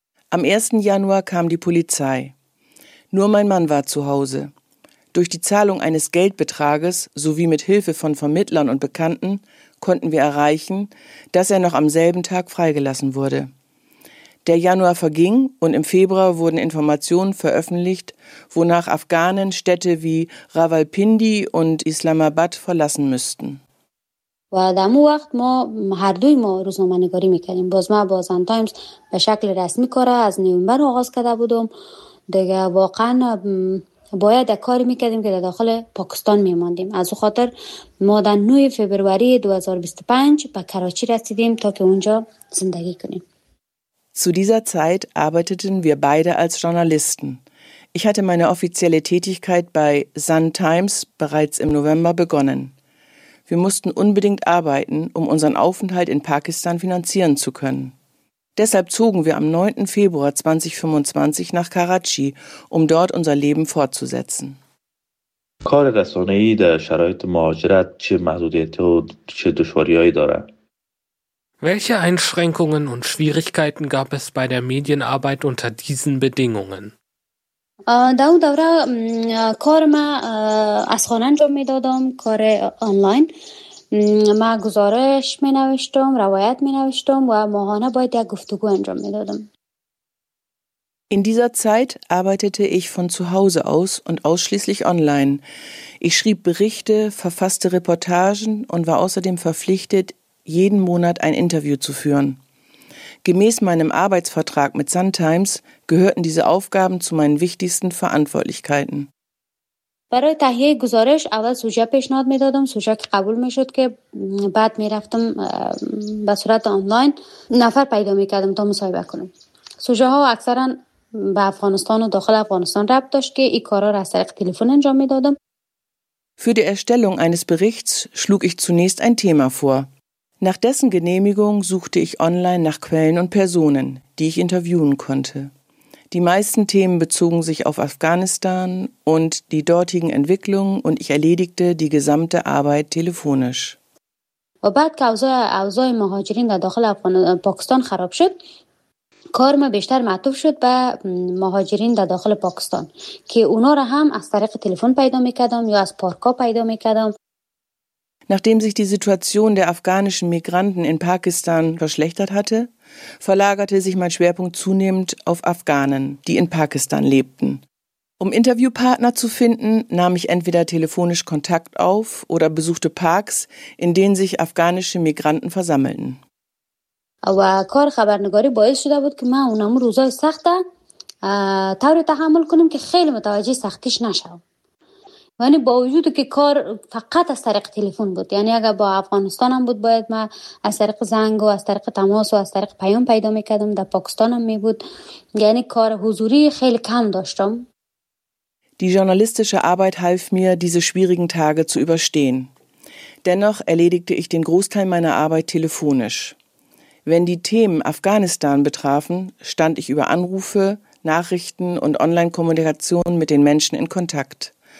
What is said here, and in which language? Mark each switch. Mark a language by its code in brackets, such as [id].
[de] Am 1. Januar kam die Polizei. Nur mein Mann war zu Hause. Durch die Zahlung eines Geldbetrages sowie mit Hilfe von Vermittlern und Bekannten konnten wir erreichen, dass er noch am selben Tag freigelassen wurde. Der Januar verging und im Februar wurden Informationen veröffentlicht, wonach Afghanen Städte wie Rawalpindi und Islamabad verlassen müssten. [fa] و در مو وقت ما هر دوی ما روزنامه نگاری میکردیم باز ما با زن تایمز به شکل رسمی کاره از نوامبر آغاز کرده بودم دیگه واقعا باید یک کاری میکردیم که در داخل پاکستان میماندیم از او خاطر ما در 9 فبروری 2025 به کراچی رسیدیم تا که اونجا زندگی کنیم [de] Zu dieser Zeit arbeiteten wir beide als Journalisten. Ich hatte meine offizielle Tätigkeit bei Sun Times bereits im November begonnen. Wir mussten unbedingt arbeiten, um unseren Aufenthalt in Pakistan finanzieren zu können. Deshalb zogen wir am 9. Februar 2025 nach Karachi, um dort unser Leben fortzusetzen. Welche Einschränkungen und Schwierigkeiten gab es bei der Medienarbeit unter diesen Bedingungen? [fa] در اون دوره کار ما از خانه انجام می دادم، کار آنلاین. ما گزارش می نوشتم، روایت می نوشتم و ماهانه باید یک گفتگو انجام می دادم. [de] In dieser Zeit arbeitete ich von zu Hause aus und ausschließlich online. Ich schrieb Berichte, verfasste Reportagen und war außerdem verpflichtet, jeden Monat ein Interview zu führen. Gemäß meinem Arbeitsvertrag mit SunTimes gehörten diese Aufgaben zu meinen wichtigsten Verantwortlichkeiten. [fa] برای تهیه گزارش اول سوژه پیشنهاد میدادم، سوژه که قبول میشد که بعد میرفتم به صورت آنلاین نفر پیدا میکردم تا مصاحبه کنم. سوژه ها اکثرا به افغانستان و داخل افغانستان ربط داشت که این کارا را از طریق تلفن انجام میدادم. [de] Für die Erstellung eines Berichts schlug ich zunächst ein Thema vor. Nach dessen Genehmigung suchte ich online nach Quellen und Personen, die ich interviewen konnte. Die meisten Themen bezogen sich auf Afghanistan und die dortigen Entwicklungen und ich erledigte die gesamte Arbeit telefonisch. [fa] وبعد که اوضاع مهاجرین در داخل پاکستان خراب شد، کار ما بیشتر معطوف شد به مهاجرین در داخل پاکستان که اونا را هم از طریق تلفن پیدا میکردم یا از پارکا پیدا میکردم. [de] Nachdem sich die Situation der afghanischen Migranten in Pakistan verschlechtert hatte, verlagerte sich mein Schwerpunkt zunehmend auf Afghanen, die in Pakistan lebten. Um Interviewpartner zu finden, nahm ich entweder telefonisch Kontakt auf oder besuchte Parks, in denen sich afghanische Migranten versammelten. [fa] Aber kor khabarnagari bois shuda bud ki ma unam roza sakhta tar tahammul kunam ki kheli mutawajjih sakhtish nashav. یعنی با وجود که کار فقط از طریق تلفن بود، یعنی اگر با افغانستان هم بود باید من از طریق زنگ و از طریق تماس و از طریق پیام پیدا میکردم، در پاکستان هم میبود، یعنی کار حضوری خیلی کم داشتم. [de] Die journalistische Arbeit half mir, diese schwierigen Tage zu überstehen. Dennoch erledigte ich den Großteil meiner Arbeit telefonisch. Wenn die Themen Afghanistan betrafen, stand ich über Anrufe, Nachrichten und Online-Kommunikation mit den Menschen in Kontakt.